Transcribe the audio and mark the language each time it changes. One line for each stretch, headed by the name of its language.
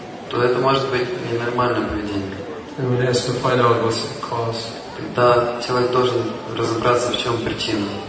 Russian: то это может быть ненормальное поведение.
English: And one has to find out what's the cause.
Russian: Тогда человек должен разобраться, в чем причина.